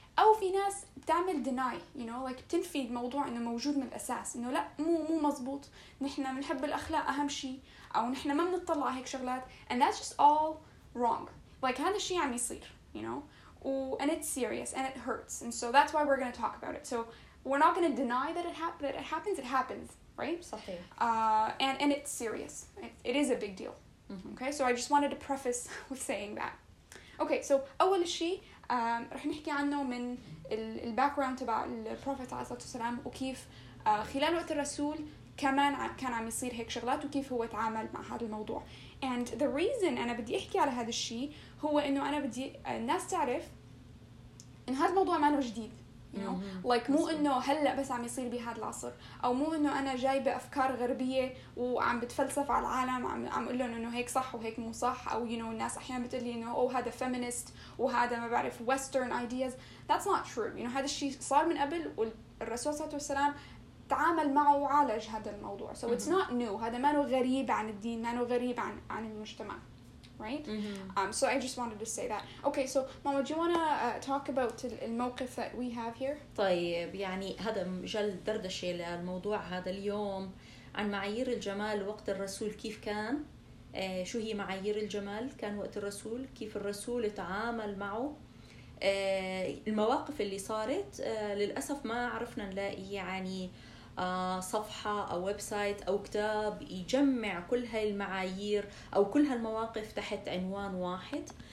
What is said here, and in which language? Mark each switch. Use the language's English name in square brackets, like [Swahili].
[Arabic] أو في ناس بتعمل [English] deny, you know, like [Arabic] تنفي الموضوع إنه موجود من الأساس, إنه لا مو مزبوط. نحنا منحب الأخلاق أهم شيء, أو نحنا ما منطلع هيك شغلات, [English] and that's just all wrong. [Arabic] Like هذا الشيء عم يصير. [English] You know, and it's serious and it hurts, and so that's why we're going to talk about it. So we're not going to deny that it happens, right? Something. And it's serious. It is a big deal. Mm-hmm. Okay, so I just wanted to preface with saying that. Okay, so [Arabic] أول شيء رح نحكي عنه من ال background تبع البروفيت عليه الصلاة والسلام وكيف خلال وقت الرسول كمان كان عم يصير هيك شغلات وكيف هو تعامل مع هذا الموضوع. [English] And the reason [Arabic] أنا بدي أحكي على هذا الشيء هو إنه أنا بدي الناس تعرف إن هذا الموضوع ما إنه جديد, [English] you know, like [Arabic] مو إنه هلأ بس عم يصير بهذا العصر, أو مو إنه أنا جاي بأفكار غربية وعم بتفلسف على العالم عم أقول لهم إنه هيك صح وهيك مو صح, أو [English] you know [Arabic] الناس أحيانًا بتقولي إنه أو هذا feminist وهذا ما بعرف [English] western ideas. That's not true. You know, [Arabic] هذا الشيء صار من قبل والرسول صلى الله عليه وسلم تعامل معه وعالج هذا الموضوع. [English] So it's not new. [Arabic] هذا ما هو غريب عن الدين, ما هو غريب عن المجتمع. [English] Right? So I just wanted to say that. Okay, so Mama, do you want to talk about الموقف that we have here? [Arabic] طيب, يعني هذا مجال دردشة للموضوع هذا اليوم عن معايير الجمال وقت الرسول كيف كان. شو هي معايير الجمال كان وقت الرسول, كيف الرسول تعامل معه, المواقف اللي صارت. للأسف ما عرفنا نلاقي يعني صفحة أو ويب سايت أو كتاب يجمع كل هاي المعايير أو كل هالمواقف تحت عنوان واحد.